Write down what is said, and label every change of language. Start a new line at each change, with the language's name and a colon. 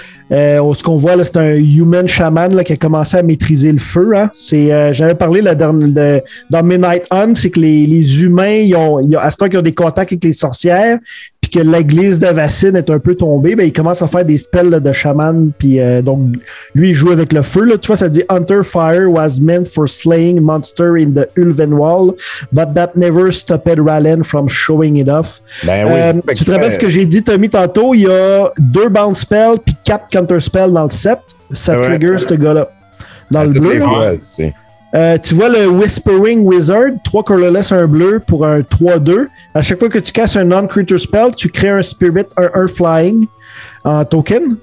French: Ce qu'on voit là, c'est un human shaman là, qui a commencé à maîtriser le feu. Hein. J'avais parlé dans Midnight Hunt, c'est que les humains, ils ont des contacts avec les sorcières, puis que l'église d'Avacyn est un peu tombée, ben, ils commencent à faire des spells là, de shaman, puis donc lui, il joue avec le feu. Là. Tu vois, ça dit
English: Hunter Fire was meant for slaying monster in the Ulven Wall, but that never stopped Rallen from showing it off.
French: Tu te rappelles ce que j'ai dit, Tommy, tantôt, il y a deux bound spells, puis 4 counter spell dans le set, ça trigger ce gars-là. Dans le bleu, tu vois le Whispering Wizard, 3 colorless, un bleu pour un 3-2. À chaque fois que tu casses un non-creature spell, tu crées un spirit, un Earth Flying en token.